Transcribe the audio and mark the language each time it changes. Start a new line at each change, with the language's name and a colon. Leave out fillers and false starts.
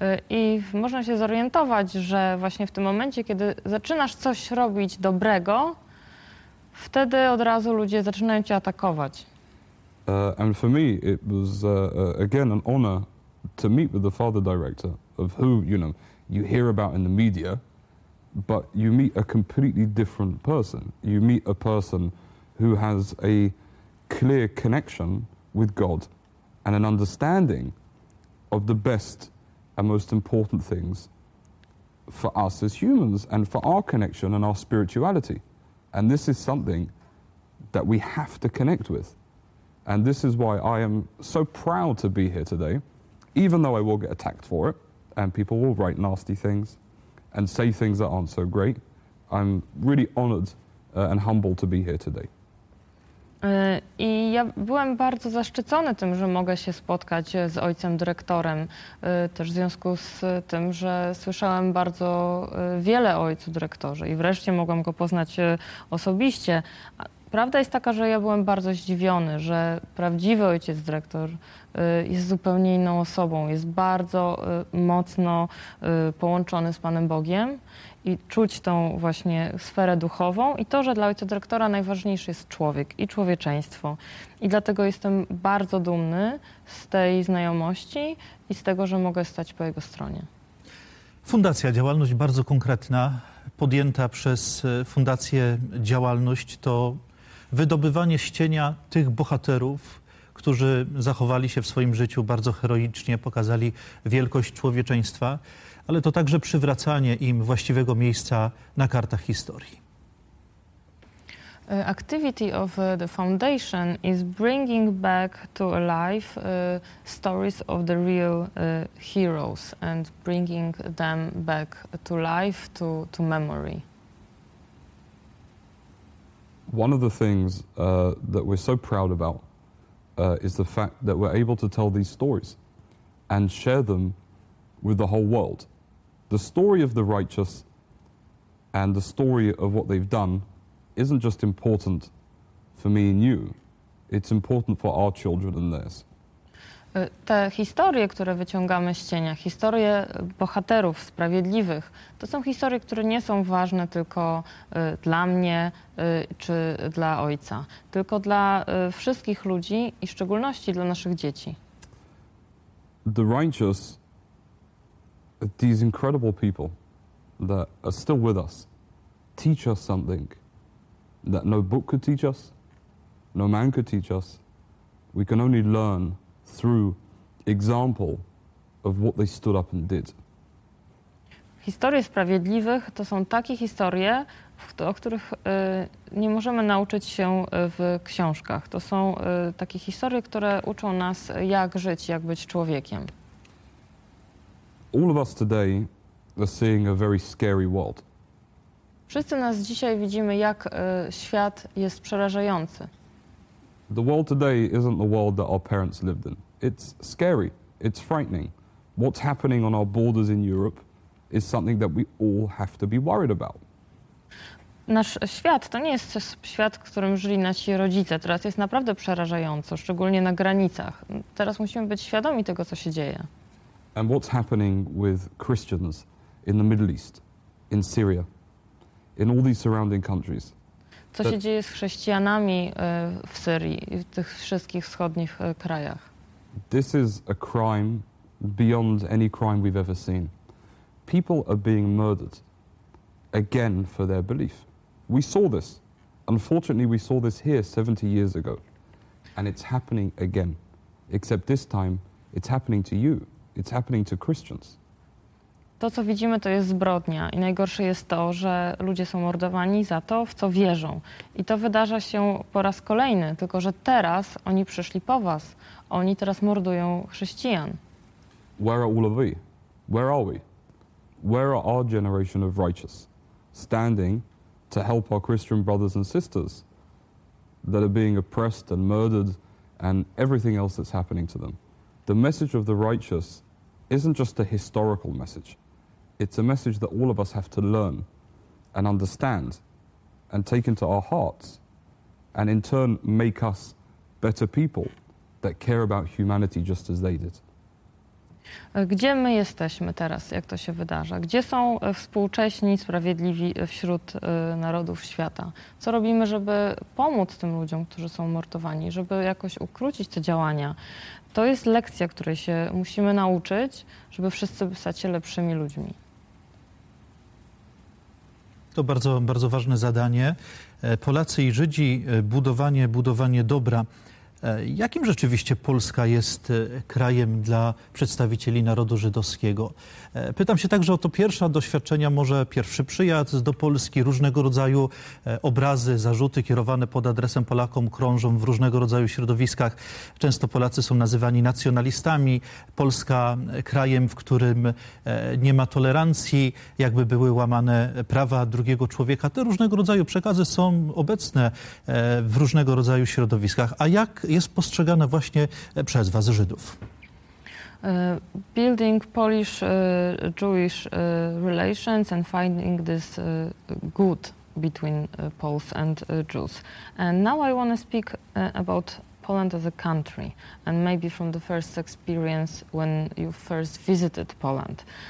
Polish: I można się zorientować, że właśnie w tym momencie, kiedy zaczynasz coś robić dobrego, wtedy od razu ludzie zaczynają cię atakować.
English: And for me, it was, again, an honor to meet with the father director of who, you know, you hear about in the media, but you meet a completely different person. You meet a person who has a clear connection with God and an understanding of the best and most important things for us as humans and for our connection and our spirituality. And this is something that we have to connect with. And this is why I am so proud to be here today, even though I will get attacked for it, and people will write nasty things and say things that aren't so great. I'm really honored and humbled to be here today.
Polish: I ja byłem bardzo zaszczycony tym, że mogę się spotkać z ojcem dyrektorem, też w związku z tym, że słyszałem bardzo wiele o ojcu dyrektorze i wreszcie mogłam go poznać osobiście. Prawda jest taka, że ja byłem bardzo zdziwiony, że prawdziwy ojciec dyrektor jest zupełnie inną osobą, jest bardzo mocno połączony z Panem Bogiem i czuć tą właśnie sferę duchową i to, że dla ojca dyrektora najważniejszy jest człowiek i człowieczeństwo. I dlatego jestem bardzo dumny z tej znajomości i z tego, że mogę stać po jego stronie. Fundacja, działalność bardzo konkretna, podjęta przez Fundację Działalność, to wydobywanie z cienia tych bohaterów, którzy zachowali się w swoim życiu bardzo heroicznie, pokazali wielkość człowieczeństwa, ale to także przywracanie im właściwego miejsca na kartach historii.
English: Activity of the foundation is bringing back to life stories of the real heroes and bringing them back to life, to memory. One of the things that we're so proud about is the fact that we're able to tell these stories and share them with the whole world. The story of the righteous and the story of what they've done isn't just important for me and you, it's important for our children and theirs.
Polish: Te historie, które wyciągamy z cienia, historie bohaterów sprawiedliwych, to są historie, które nie są ważne tylko dla mnie czy dla ojca, tylko dla wszystkich ludzi i w szczególności dla naszych dzieci.
English: The righteous, these incredible people that are still with us, teach us something that no book could teach us, no man could teach us. We can only learn through example of what they stood up and did.
Polish: Historie sprawiedliwych to są takie historie, o których nie możemy nauczyć się w książkach. To są takie historie, które uczą nas, jak żyć, jak być człowiekiem.
English: All of us today are seeing a very scary world.
Polish: Wszyscy nas dzisiaj widzimy, jak świat jest przerażający.
English: The world today isn't the world that our parents lived in. It's scary. It's frightening. What's happening on our borders in Europe is something that we all have to be worried about.
Polish: Nasz świat to nie jest świat, w którym żyli nasi rodzice. Teraz jest naprawdę przerażająco, szczególnie na granicach. Teraz musimy być świadomi tego, co się dzieje.
English: And what's happening with Christians in the Middle East, in Syria, in all these surrounding countries?
Polish: Co się dzieje z chrześcijanami w Syrii i w tych wszystkich wschodnich krajach?
English: This is a crime beyond any crime we've ever seen. People are being murdered again for their belief. We saw this. Unfortunately, we saw this here 70 years ago. And it's happening again. Except this time, it's happening to you. It's happening to Christians.
Polish: To, co widzimy, to jest zbrodnia. I najgorsze jest to, że ludzie są mordowani za to, w co wierzą. I to wydarza się po raz kolejny, tylko że teraz oni przyszli po was. Oni teraz mordują chrześcijan.
English: Where are all of we? Where are we? Where are our generation of righteous standing to help our Christian brothers and sisters that are being oppressed and murdered and everything else that's happening to them? The message of the righteous isn't just a historical message. It's a message that all of us have to learn and understand and take into our hearts and in turn make us better people that care about humanity just as they did.
Polish: Gdzie my jesteśmy teraz, jak to się wydarza? Gdzie są współcześni, sprawiedliwi wśród narodów świata? Co robimy, żeby pomóc tym ludziom, którzy są mordowani, żeby jakoś ukrócić te działania? To jest lekcja, której się musimy nauczyć, żeby wszyscy stać się lepszymi ludźmi. To bardzo, bardzo ważne zadanie. Polacy i Żydzi, budowanie dobra. Jakim rzeczywiście Polska jest krajem dla przedstawicieli narodu żydowskiego? Pytam się także o to pierwsze doświadczenia, może pierwszy przyjazd do Polski, różnego rodzaju obrazy, zarzuty kierowane pod adresem Polakom krążą w różnego rodzaju środowiskach. Często Polacy są nazywani nacjonalistami, Polska krajem, w którym nie ma tolerancji, jakby były łamane prawa drugiego człowieka. Te różnego rodzaju przekazy są obecne w różnego rodzaju środowiskach. A jak jest postrzegana właśnie przez was Żydów?
English: Building Polish Jewish relations and finding this good between Poles and Jews. And now I want to speak about Poland as a country and maybe from the first experience when you first visited Poland.